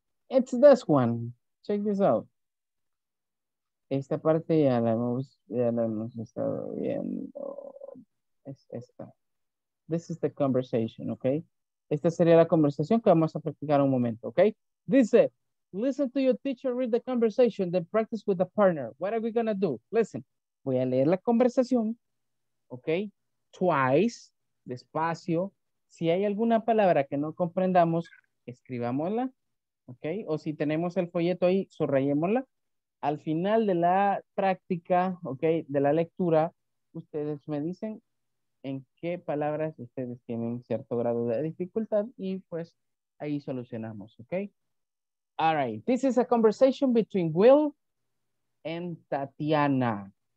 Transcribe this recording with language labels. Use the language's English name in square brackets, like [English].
[Spanish] Oh. [English] It's this one. Check this out. [Spanish] Esta parte ya la hemos estado viendo. Es esta. [English] This is the conversation, okay? [Spanish] Esta sería la conversación que vamos a practicar un momento, okay? [English] Dice, listen to your teacher read the conversation, then practice with a partner. What are we gonna do? Listen, [Spanish] voy a leer la conversación, [English] okay? Twice, despacio. [Spanish] Si hay alguna palabra que no comprendamos, escribámosla, okay? O si tenemos el folleto ahí, subrayémosla. Al final de la práctica, okay, de la lectura, ustedes me dicen en qué palabras ustedes tienen cierto grado de dificultad y pues ahí solucionamos, ¿ok? [English] All right, this is a conversation between Will and Tatiana.